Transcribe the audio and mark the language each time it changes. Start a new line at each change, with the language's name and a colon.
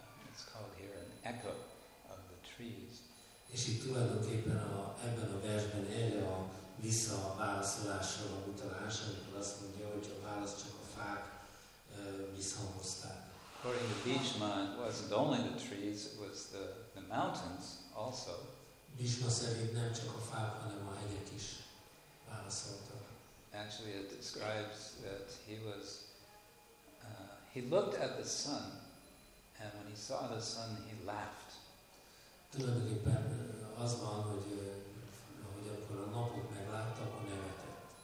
English: It's called here an echo of the trees.
Hungarian: És itt tulajdonképpen ebben a versben erre a válaszolásra van utalás, amikor azt mondja, hogy a választ csak a fák visszahozták.
English: According to Bhishma, it wasn't only the trees, it was the mountains also.
Hungarian: Bhishma szerint nem csak a fák, hanem a hegyek is válaszoltak.
English: Actually, it describes that he was, he looked at the sun, and when he saw the sun, he laughed.
Hungarian: Tulajdonképpen az van, hogy akkor a napot meglátta, akkor nevetett.